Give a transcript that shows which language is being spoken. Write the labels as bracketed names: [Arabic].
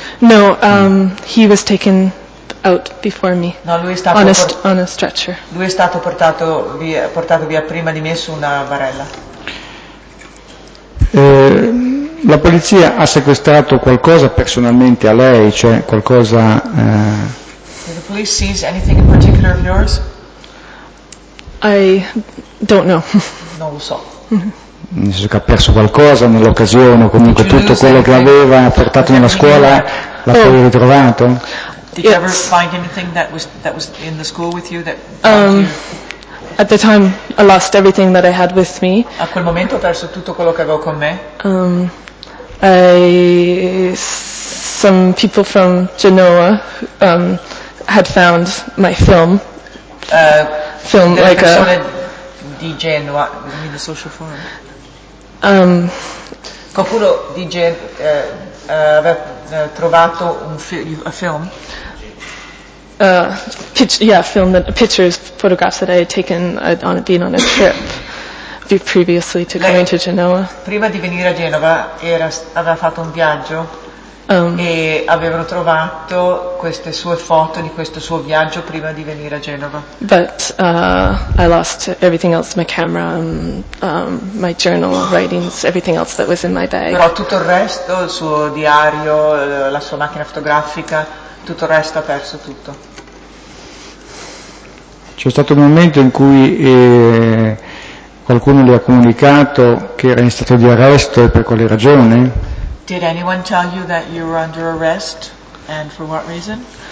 [English] No, he was taken out before me. [Italian] No, lui è stato [English] on a stretcher. [Italian] Lui è stato portato via prima di me su una barella. La polizia ha sequestrato qualcosa personalmente a lei, cioè qualcosa... [English] Did the police seize anything in particular of yours? I don't know. [Italian] Non lo so. nel senso che ha perso qualcosa nell'occasione, o comunque tutto quello che aveva portato nella scuola l'ha poi ritrovato? [English] Did you ever find anything that was in the school with you that At the time I lost everything that I had with me. [Italian] A quel momento ho perso tutto quello che avevo con me. [English] Some people from Genoa had found my film. Film like a di Genoa, I mean the social forum. [Italian] Qualcuno di Genoa aveva trovato a film. [English] Pictures, photographs that I had taken on being on a trip previously to going to Genoa. [Italian] Prima di venire a Genova aveva fatto un viaggio e avevano trovato queste sue foto di questo suo viaggio prima di venire a Genova. [English] But I lost everything else, my camera, my journal, writings, everything else that was in my bag. [Italian] Però tutto il resto, il suo diario, la sua macchina fotografica, tutto il resto ha perso tutto. C'è stato un momento in cui qualcuno le ha comunicato che era in stato di arresto e per quale ragione? [English] Did anyone tell you that you were under arrest and for what reason?